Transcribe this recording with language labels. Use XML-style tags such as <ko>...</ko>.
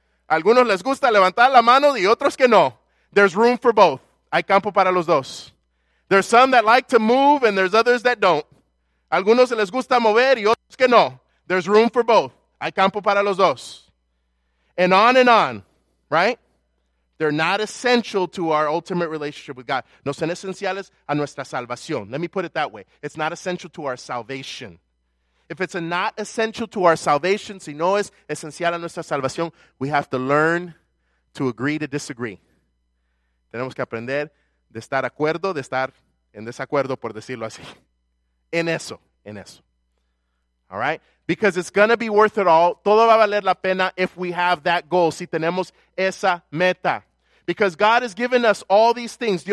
<es>Algunos les gusta levantar la mano y otros que no.</es> <en>There's room for both.</en> <es>Hay campo para los dos.</es> <en>There's some that like to move and there's others that don't.</en> <es>Algunos les gusta mover y otros que no.</es> <en>There's room for both.</en> <es>Hay campo para los dos.</es> <en>And on, right? They're not essential to our ultimate relationship with God.</en> <es>No son esenciales a nuestra salvación.</es> <en>Let me put it that way. It's not essential to our salvation. If it's not essential to our salvation,</en> <es>si no es esencial a nuestra salvación,</es> <en>we have to learn to agree to disagree.</en> <es>Tenemos que aprender de estar de acuerdo, de estar en desacuerdo, por decirlo así. En eso.</es> <en>All right? Because it's going to be worth it all.</en> <es>Todo va a valer la pena</es> <en>if we have that goal,</en> <es>si tenemos esa meta.</es> <en>Because God has given us all these things.</en>